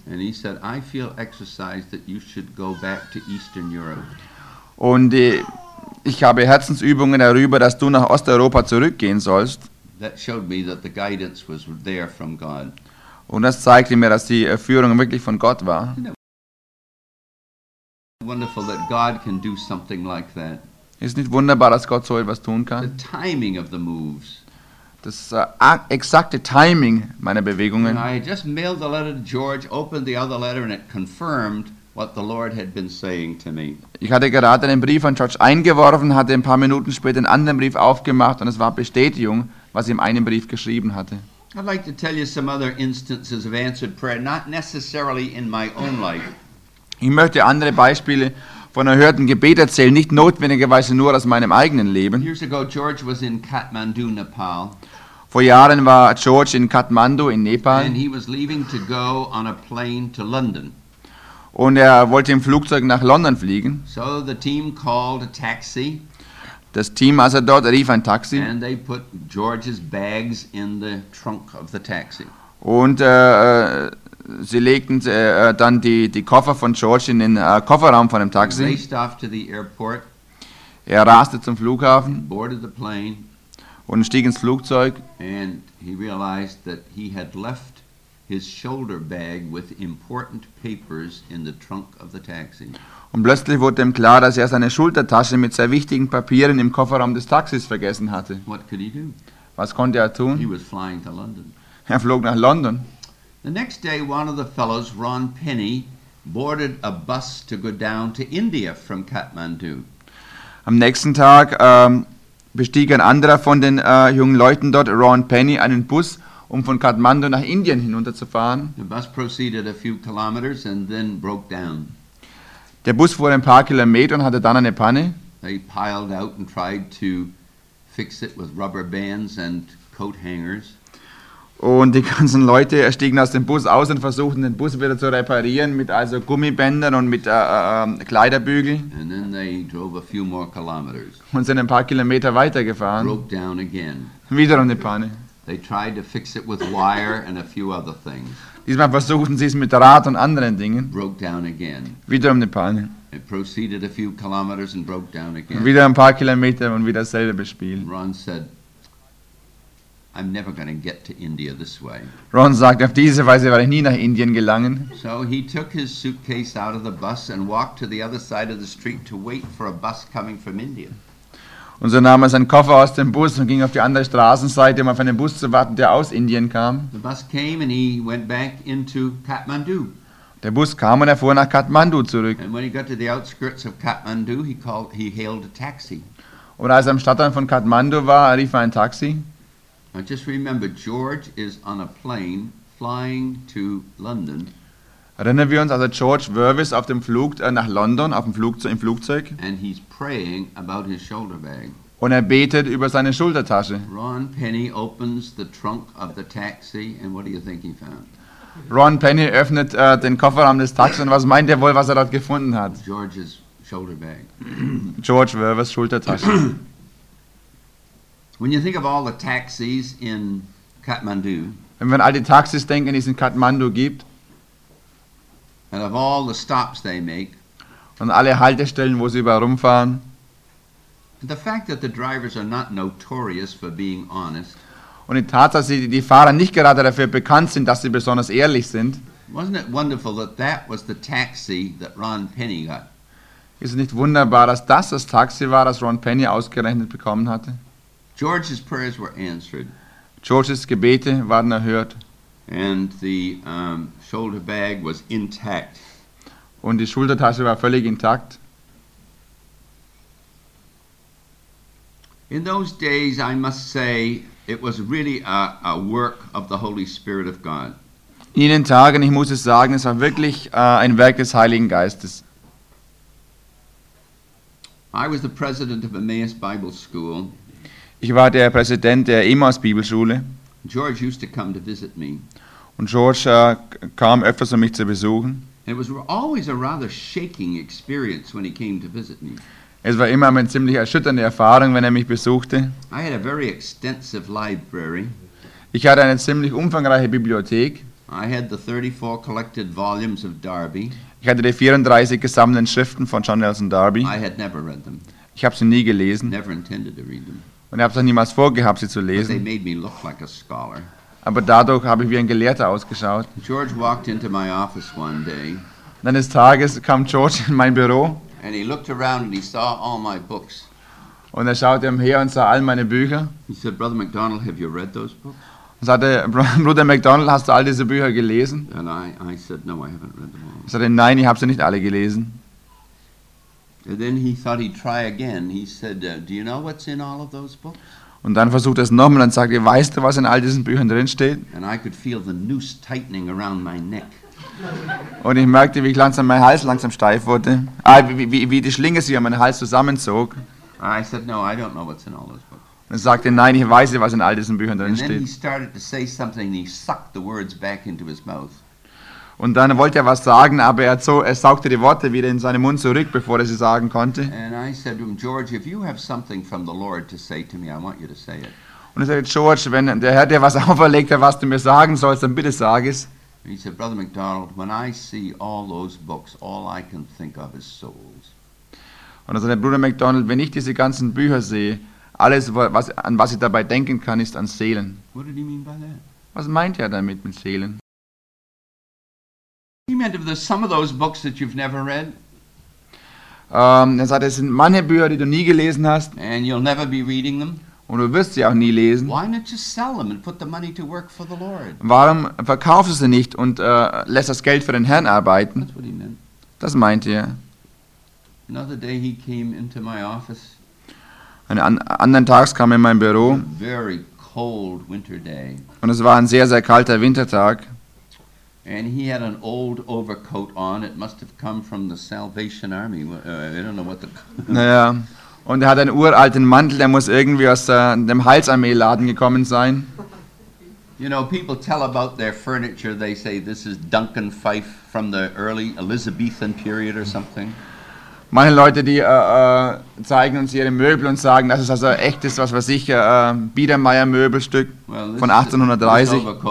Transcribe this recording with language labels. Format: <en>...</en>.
<en>And he said, "I feel exercised that you should go back to Eastern Europe."</en> <de>Und ich habe Herzensübungen darüber, dass du nach Osteuropa zurückgehen sollst.</de> <en>That showed me that the guidance was there from God.</en> <de>Und das zeigte mir, dass die Führung wirklich von Gott war.</de> <en>Wonderful that God can do something like that.</en> <de>Ist nicht wunderbar, dass Gott so etwas tun kann?</de> <en>The timing of the moves.</en> <de>Das exakte Timing meiner Bewegungen.</de> <en>I just mailed the letter to George, opened the other letter and it confirmed what the Lord had been saying to me.</en> <de>Ich hatte gerade einen Brief an George eingeworfen, hatte ein paar Minuten später einen anderen Brief aufgemacht und es war Bestätigung, was ich in einem Brief geschrieben hatte.</de> <en>I'd like to tell you some other instances of answered prayer, not necessarily in my own life.</en> <de>Ich möchte andere Beispiele von erhörten Gebet erzählen, nicht notwendigerweise nur aus meinem eigenen Leben.</de> <en>Years ago, George was in Kathmandu, Nepal.</en> <de>Vor Jahren war George in Kathmandu in Nepal.</de> <en>And he was leaving to go on a plane to London.</en> <de>Und er wollte im Flugzeug nach London fliegen.</de> <en>So the team called a taxi.</en> <de>Das Team also dort rief ein Taxi.</de> <en>And they put George's bags in the trunk of the taxi.</en> <de>Und sie legten dann die Koffer von George in den Kofferraum von dem Taxi.</de> <en>He raced off to the airport.</en> <de>Er raste zum Flughafen.</de> <en>Boarded the plane.</en> <de>Und stieg ins Flugzeug.</de> <en>And he realized that he had left his shoulder bag with important papers in the trunk of the taxi.</en> <de>Und plötzlich wurde ihm klar, dass er seine Schultertasche mit sehr wichtigen Papieren im Kofferraum des Taxis vergessen hatte.</de> <en>What could he do?</en> <de>Was konnte er tun?</de> <en>He was flying to London.</en> <de>Er flog nach London.</de> <en>The next day, one of the fellows, Ron Penny, boarded a bus to go down to India from Kathmandu.</en> <de>Am nächsten Tag bestieg ein anderer von den jungen Leuten dort, Ron Penny, einen Bus, um von Kathmandu nach Indien hinunterzufahren.</de> <en>The bus proceeded a few kilometers and then broke down.</en> <de>Der Bus fuhr ein paar Kilometer und hatte dann eine Panne.</de> <en>They piled out and tried to fix it with rubber bands and coat hangers.</en> <de>Und die ganzen Leute stiegen aus dem Bus aus und versuchten den Bus wieder zu reparieren mit also Gummibändern und mit Kleiderbügeln.</de> <en>And then they drove a few more kilometers.</en> <de>Und sind ein paar Kilometer weitergefahren.</de> <en>Broke down again.</en> <de>Wieder eine Panne.</de> <en>They tried to fix it with wire and a few other things.</en> <de>Diesmal versuchten sie es mit Draht und anderen Dingen.</de> <en>Broke down again.</en> <de>Wieder eine Panne.</de> <en>It proceeded a few kilometers and broke down again.</en> <de>Wieder ein paar Kilometer und wieder dasselbe Spiel.</de> <en>Ron said, I'm never going to get to India this way.</en> <de>Ron sagt, auf diese Weise werde ich nie nach Indien gelangen.</de> <en>So he took his suitcase out of the bus and walked to the other side of the street to wait for a bus coming from India.</en> <de>Und so nahm er seinen Koffer aus dem Bus und ging auf die andere Straßenseite, um auf einen Bus zu warten, der aus Indien kam.</de> <en>The bus came and he went back into Kathmandu.</en> <de>Der Bus kam und er fuhr nach Kathmandu zurück.</de> <en>And when he got to the outskirts of Kathmandu, he hailed a taxi.</en> <de>Und als er am Stadtrand von Kathmandu war, rief er ein Taxi.</de> <en>Now just remember, George is on a plane flying to London.</en> <de>Erinnern wir uns, also George Wervis auf dem Flug nach London, auf dem Flugzeug, im Flugzeug.</de> <en>And he's praying about his shoulder bag.</en> <de>Und er betet über seine Schultertasche.</de> <en>Ron Penny opens the trunk of the taxi, and what do you think he found?</en> <de>Ron Penny öffnet den Kofferraum des Taxis und was meint er wohl, was er dort gefunden hat?</de> <en>George's shoulder bag.</en> <de>George Wervis Schultertasche.</de> <en>When you think of all the taxis in Kathmandu,</en> <de>wenn man all die Taxis denken, die es in Kathmandu gibt,</de> <en>and of all the stops they make,</en> <de>und alle Haltestellen, wo sie überall rumfahren,</de> <en>the fact that the drivers are not notorious for being honest,</en> <de>und die Tatsache, dass die Fahrer nicht gerade dafür bekannt sind, dass sie besonders ehrlich sind,</de> <en>wasn't it wonderful that that was the taxi that Ron Penny got?</en> <de>Ist es nicht wunderbar, dass das das Taxi war, das Ron Penny ausgerechnet bekommen hatte?</de> <en>George's prayers were answered.</en> <de>George's Gebete waren erhört.</de> <en>And the shoulder bag was intact.</en> <de>Und die Schultertasche war völlig intakt.</de> <en>In those days, I must say, it was really a work of the Holy Spirit of God.</en> <de>In jenen Tagen, ich muss es sagen, es war wirklich ein Werk des Heiligen Geistes.</de> <en>I was the president of Emmaus Bible School.</en> <de>Ich war der Präsident der Emmaus Bibelschule.</de> <en>George used to come to visit me.</en> <de>Und George kam öfters, um mich zu besuchen.</de> <en>It was always a rather shaking experience when he came to visit me.</en> <de>Es war immer eine ziemlich erschütternde Erfahrung, wenn er mich besuchte.</de> <en>I had a very extensive library.</en> <de>Ich hatte eine ziemlich umfangreiche Bibliothek.</de> <en>I had the 34 collected volumes of Darby.</en> <de>Ich hatte die 34 gesammelten Schriften von John Nelson Darby.</de> <en>I had never read them.</en> <de>Ich habe sie nie gelesen.</de> <en>Never intended to read them.</en> <de>Und ich habe es auch niemals vorgehabt, sie zu lesen.</de> <en>They made me look like a scholar.</en> <de>Aber dadurch habe ich wie ein Gelehrter ausgeschaut.</de> <en>George walked into my office one day.</en> <de>Und eines Tages kam George in mein Büro.</de> <en>And he looked around and he saw all my books.</en> <de>Und er schaute umher und sah all meine Bücher.</de> <en>He said, Brother McDonald, have you read those books?</en> <de>Und sagte, Bruder McDonald, hast du all diese Bücher gelesen?</de> <en>And I said, no, I haven't read them all.</en> <de>Er sagte, nein, ich habe sie nicht alle gelesen.</de> <en>And then he thought he'd try again. He said, do you know what's in all of those books?</en> <de>Und dann versuchte er es nochmal und sagte, weißt du, was in all diesen Büchern drin steht?</de> <en>And I could feel the noose tightening around my neck.</en> <de>Und ich merkte, wie ich langsam mein Hals langsam steif wurde. Wie die Schlinge sich an meinen Hals zusammenzog.</de> <en>I said, no, I don't know what's in all those books.</en> <de>Und er sagte, nein, ich weiß nicht, was in all diesen Büchern drin steht.</de> <en>And then he started to say something and he sucked the words back into his mouth.</en> <de>Und dann wollte er was sagen, aber er saugte die Worte wieder in seinen Mund zurück, bevor er sie sagen konnte.</de> <en>And I said to him, George, if you have something from the Lord to say to me, I want you to say it.</en> <de>Und er sagte, George, wenn der Herr dir was auferlegt hat, was du mir sagen sollst, dann bitte sag es.</de> <en>He said, Brother McDonald, when I see all those books, all I can think of is souls.</en> <de>Und er sagte, Bruder McDonald, wenn ich diese ganzen Bücher sehe, alles, was ich dabei denken kann, ist an Seelen.</de> <en>What did he mean by that?</en> <de>Was meint er damit mit Seelen?</de> <en>He meant of the some of those books that you've never read.</en> <de>Er sagte, es sind manche Bücher, die du nie gelesen hast.</de> <en>And you'll never be reading them.</en> <de>Und du wirst sie auch nie lesen.</de> <en>Why not just sell them and put the money to work for the Lord?</en> <de>Warum verkaufst du sie nicht und lässt das Geld für den Herrn arbeiten?</de> <en>That's what he meant.</en> <de>Das meinte er.</de> <en>Another day he came into my office.</en> <de>Einen anderen Tag kam er in mein Büro.</de> <en>A very cold winter day.</en> <de>Und es war ein sehr, sehr kalter Wintertag.</de> <en>And he had an old overcoat on. It must have come from the Salvation Army. I don't know what the.</en> <de>Naja, und er hat einen uralten Mantel. Der muss irgendwie aus dem Heilsarmee-Laden gekommen sein.</de> <en>You know, people tell about their furniture. They say this is Duncan Fife from the early Elizabethan period or something.</en> <de>Manche Leute, die zeigen uns ihre Möbel und sagen, das ist also echtes, was weiß ich, Biedermeier-Möbelstück von 1830.</de>